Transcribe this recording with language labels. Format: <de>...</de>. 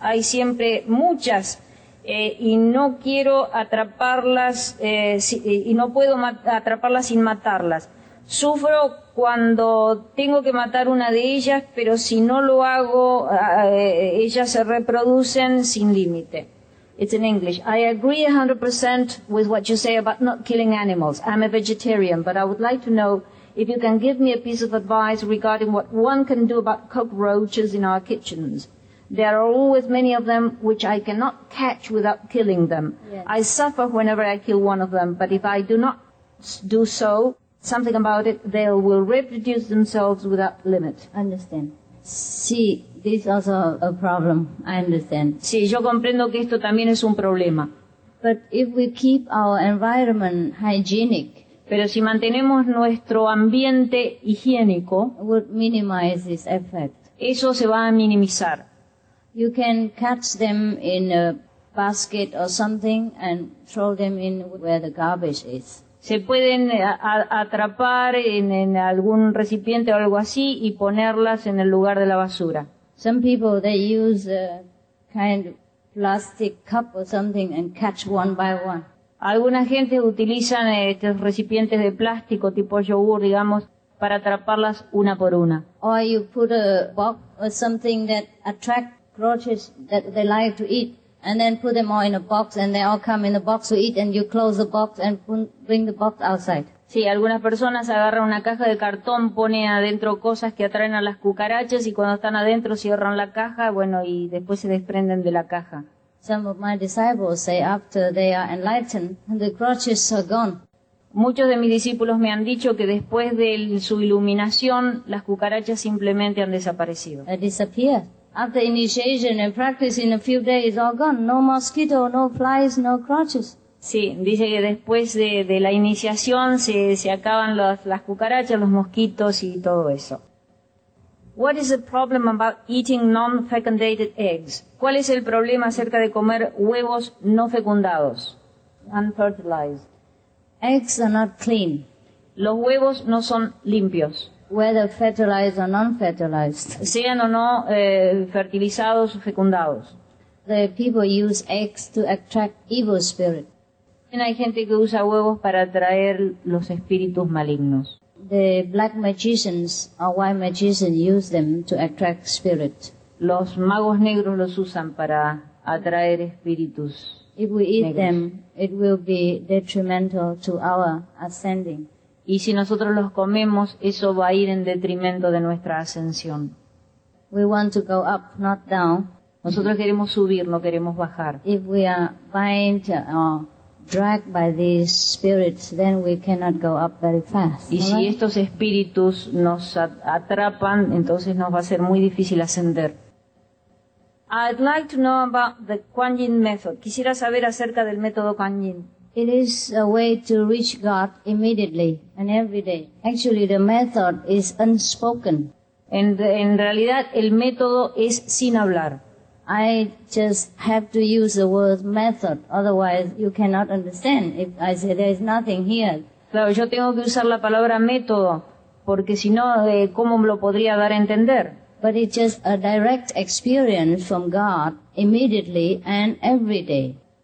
<es>Hay siempre muchas. Y no quiero atraparlas sin matarlas. Sufro cuando tengo que matar una de ellas, pero si no lo hago, ellas se reproducen sin límite.</es> <en>It's in English. I agree 100% with what you say about not killing animals. I'm a vegetarian, but I would like to know if you can give me a piece of advice regarding what one can do about cockroaches in our kitchens. There are always many of them which I cannot catch without killing them. Yes. I suffer whenever I kill one of them, but if I do not do so, something about it, they will reproduce themselves without limit. Understand. Sí, this is also a problem. I understand.</en> <es>Sí, yo comprendo que esto también es un problema.</es> <en>But if we keep our environment hygienic,</en> <es>pero si mantenemos nuestro ambiente higiénico,</es> <en>we'll minimize this effect.</en> <es>Eso se va a minimizar.</es> <en>You can catch them in a basket or something and throw them in where the garbage is.</en> <es>Se pueden atrapar en algún recipiente o algo así y ponerlas en el lugar de la basura.</es> <en>Some people, they use a kind of plastic cup or something and catch one by one.</en> <es>Alguna gente utilizan estos recipientes de plástico tipo yogur, digamos, para atraparlas una por una.</es> <en>Or you put a box or something that attracts cockroaches that they like to eat. And then put them all in a box, and they all come in a box to eat, and you close the box and bring the box outside.</en> <es>Sí, algunas personas agarran una caja de cartón, ponen adentro cosas que atraen a las cucarachas, y cuando están adentro cierran la caja, bueno, y después se desprenden de la caja.</es> <en>Some of my disciples say after they are enlightened, the crutches are gone.</en> <es>Muchos de mis discípulos me han dicho que después de su iluminación, las cucarachas simplemente han desaparecido.</es> <en>They disappear. After initiation and practice in a few days, all gone. No mosquito, no flies, no crotches.</en> <es>Sí, dice que después de la iniciación se acaban las cucarachas, los mosquitos y todo eso.</es> <en>What is the problem about eating non-fecundated eggs?</en> <es>¿Cuál es el problema acerca de comer huevos no fecundados?</es> <en>Unfertilized. Eggs are not clean.</en> <es>Los huevos no son limpios.</es> <en>Whether fertilized or non-fertilized.</en> <es>Sean o no fertilizados o fecundados.</es> <en>The people use eggs to attract evil spirits.</en> <es>Hay gente que usa huevos para atraer los espíritus malignos.</es> <en>The black magicians or white magicians use them to attract spirits.</en> <es>Los magos negros los usan para atraer espíritus negros.</es> <en>If we eat them, it will be detrimental to our ascending.</en> <es>Y si nosotros los comemos, eso va a ir en detrimento de nuestra ascensión.</es> <en>We want to go up, not down.</en> <es>Nosotros queremos subir, no queremos bajar.</es> <en>If we are bind or dragged by these spirits, then we cannot go up very fast.</en> <es>Y si estos espíritus nos atrapan, entonces nos va a ser muy difícil ascender.</es> <en>I'd like to know about the Kuan Yin method.</en> <es>Quisiera saber acerca del método Kuan Yin.</es> <en>It is a way to reach God immediately and every day. Actually, the method is unspoken.</en> <es>En realidad, el método es sin hablar.</es> <en>I just have to use the word method, otherwise you cannot understand if I say there is nothing here.</en> <es>Claro, yo tengo que usar la palabra método, porque si no, ¿cómo me lo podría dar a entender?</es> <en>But it's just a direct experience from God immediately and every day.</en>